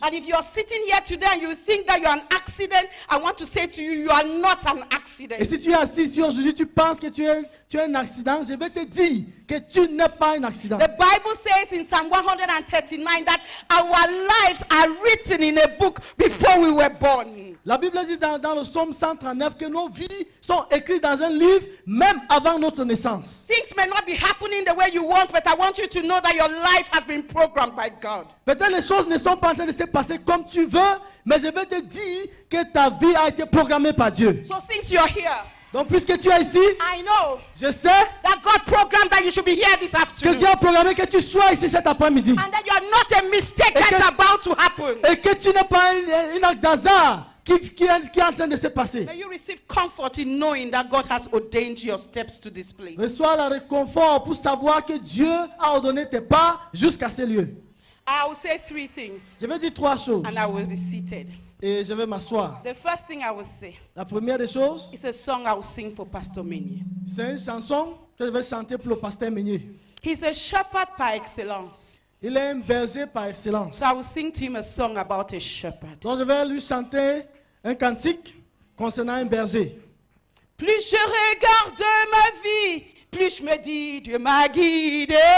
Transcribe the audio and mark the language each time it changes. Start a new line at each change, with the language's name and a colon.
English: And if you are sitting here today and you think that you are an accident, I want to say to you, you are not an accident.
French: Et si tu es assis ici aujourd'hui, tu penses que tu es un accident, je vais te dire que tu n'es pas un accident.
English: The Bible says in Psalm 139 that our lives are written in a book before we were born.
French: La Bible dit dans le psaume 139 que nos vies sont écrites dans un livre même avant notre naissance.
English: Things may not be happening the way you want, but I want you to know that your life has been programmed by God.
French: Peut-être les choses ne sont pas en train de se passer comme tu veux, mais je vais te dire que ta vie a été programmée par Dieu.
English: So since you are here,
French: donc puisque tu es ici,
English: I know,
French: je sais
English: that God programmed that you should be here this afternoon.
French: Que Dieu a programmé que tu sois ici cet après-midi.
English: And that you are not a mistake that's about to happen.
French: Et que tu n'es pas un acte d'hasard. qui est en train de se passer.
English: May you receive comfort in knowing that God has ordained your steps to this place.
French: Reçois le réconfort pour savoir que Dieu a ordonné tes pas jusqu'à ce lieu.
English: I will say three things.
French: Je vais dire trois choses.
English: And I will be seated.
French: Et je vais m'asseoir.
English: The first thing I will say.
French: La première des choses.
English: It's a song I will sing for Pastor Meunier.
French: C'est une chanson que je vais chanter pour le pasteur Meunier.
English: He's a shepherd by excellence.
French: Il est un berger par excellence.
English: So I will sing to him a song about a shepherd.
French: Donc je vais lui chanter un cantique concernant un berger. Plus je regarde ma vie, plus je me dis Dieu m'a guidé.